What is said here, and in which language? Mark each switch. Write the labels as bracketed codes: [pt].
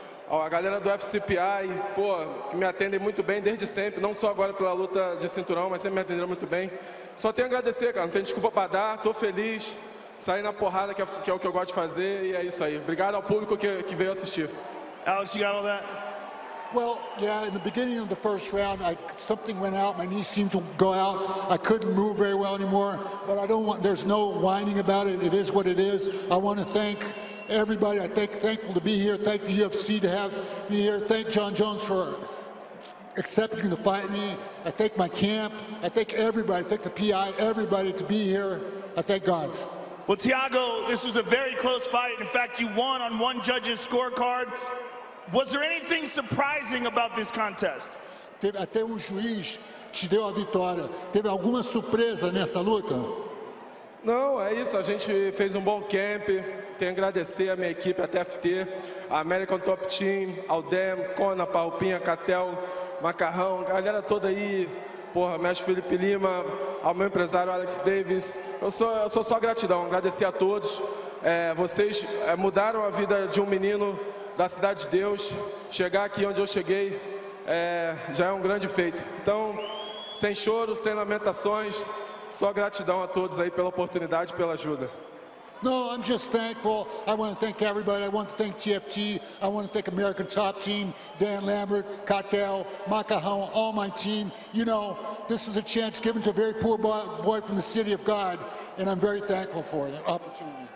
[pt] A galera do FCPI, pô, que me atendem muito bem desde sempre, não só agora pela luta de cinturão, mas sempre me atenderam muito bem. Só tenho a agradecer, cara, não tenho desculpa pra dar, tô feliz, saí na porrada, que é o que eu gosto de fazer, e é isso aí. Obrigado ao público que veio assistir. [en] Alex, you got all that? Well, yeah, in the beginning of the first round, something went out. My knee seemed to go out. I couldn't move very well anymore, but I don't want, there's no whining about it. It is what it is. I want to thank everybody. Thankful to be here. Thank the UFC to have me here. Thank Jon Jones for accepting to fight me. I thank my camp. I thank everybody. I thank the PI, everybody to be here. I thank God. Well, Thiago, this was a very close fight. In fact, you won on one judge's scorecard. Was there anything surprising about this contest? [pt] Teve até um juiz te deu a vitória. Teve alguma surpresa nessa luta? Não, é isso. A gente fez bom camp. Tenho a agradecer a minha equipe, a TFT, American Top Team, Aldem, Kona, Palpinha, Catel, Macarrão, a galera toda aí, porra, mestre Felipe Lima, ao meu empresário Alex Davis. Eu sou só gratidão, agradecer a todos. Vocês mudaram a vida de menino da Cidade de Deus. Chegar aqui onde eu cheguei já é grande feito. Então, sem choro, sem lamentações, só gratidão a todos aí pela oportunidade, pela ajuda. [en] No, I'm just thankful. I want to thank everybody. I want to thank TFT. I want to thank American Top Team, Dan Lambert, Cattell, Macahon, all my team. You know, this is a chance given to a very poor boy from the city of God, and I'm very thankful for the opportunity.